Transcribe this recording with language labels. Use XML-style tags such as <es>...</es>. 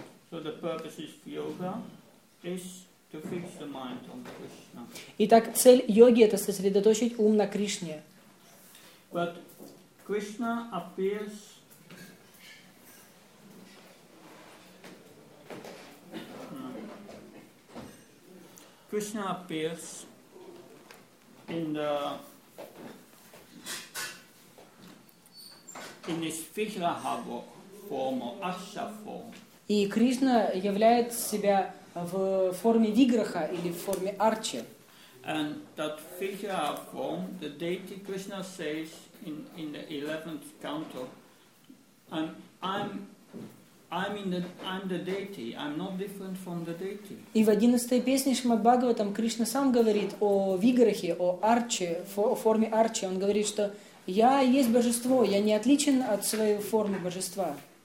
<en>So the purpose of yoga is to fix the mind on Krishna.</en> <ru>Итак, цель йоги это сосредоточить ум на Кришне.</ru> <en>But Krishna appears in his Vigraha form or Asha form.</en> <ru>И Кришна являет себя в форме Виграха или в форме Арчи.</ru> <en>And that Vigraha form, the deity Krishna says in the 11th canto, I'm the deity. I'm not different from the deity.</en> <ru>И в 11-й песне Шримад-Бхагаватам Кришна сам говорит о виграхе, о арче, о форме арчи. Он говорит, что я есть божество, я не отличен от своей формы божества.</ru>